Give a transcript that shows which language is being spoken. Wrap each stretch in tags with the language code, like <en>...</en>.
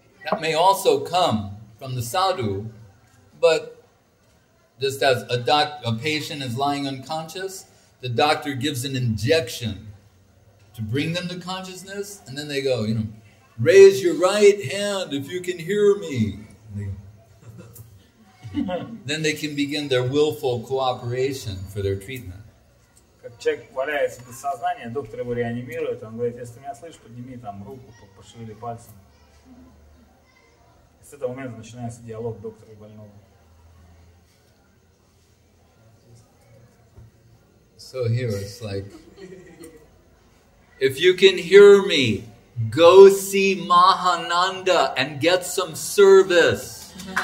<en>That may also come from the sadhu, but just as a patient is lying unconscious, the doctor gives an injection to bring them to consciousness, and then they go, you know, raise your right hand if you can hear me. Then they can begin their willful cooperation for their treatment.</en> <ru>Как человек валяется без сознания, доктор его реанимирует, он говорит, если ты меня слышишь, подними там руку, пошевели пальцем. С этого момента начинается диалог доктора и больного.</ru> <en>So here it's like, if you can hear me, go see Mahananda and get some service.</en>